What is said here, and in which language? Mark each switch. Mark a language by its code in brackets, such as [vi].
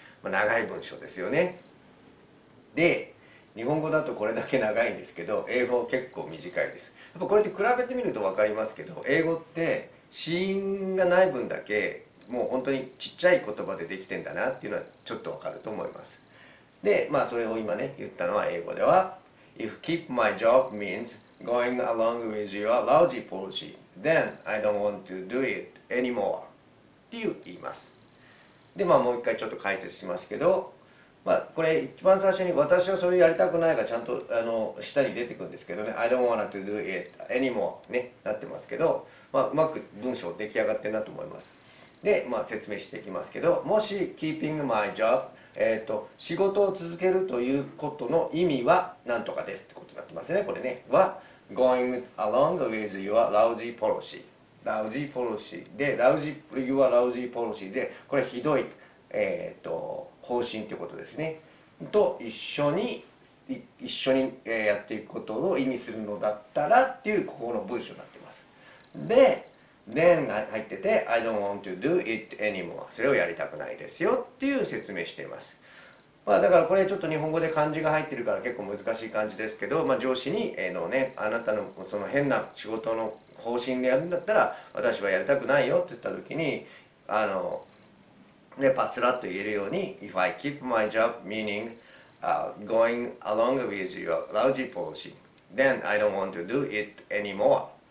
[ja] 長い文章ですよね。で、日本語だとこれだけ長いんですけど、英語結構短いです。やっぱこれって比べてみると分かりますけど、英語って子音がない分だけ、もう本当にちっちゃい言葉でできてんだなっていうのはちょっと分かると思います。で、それを今ね、言ったのは英語では、 [en] If keep my job means... Going along with your lousy policy, then I don't want to do it anymore. [ja] って言います。で、もう一回ちょっと解説しますけど、これ一番最初に私はそれやりたくないがちゃんと下に出てくるんですけどね、 [en] I don't want to do it anymore [ja] ね、なってますけど、うまく文章出来上がってるなと思います。で、説明していきますけど、もし [en] keeping my job、 [ja] 仕事を続けるということの意味は何とかですってことになってますね、これね。 [en] は、going along with your lousy policy。 [ja] lousy policy で、 [en] your lousy policy [ja] で、これひどい、方針ってことですね。と一緒にやっていくことを意味するのだったらっていう、ここの文章になってます。 [en] で、then [ja] が入ってて、 [en] I don't want to do it anymore。 [ja] それをやりたくないですよっていう説明しています。だからこれちょっと日本語で漢字が入ってるから結構難しい感じですけど、上司に、あなたのその変な仕事の方針でやるんだったら、私はやりたくないよって言った時に、パツラッと言えるように、 [en] If I keep my job, meaning、going along with your lousy policy, then I don't want to do it anymore.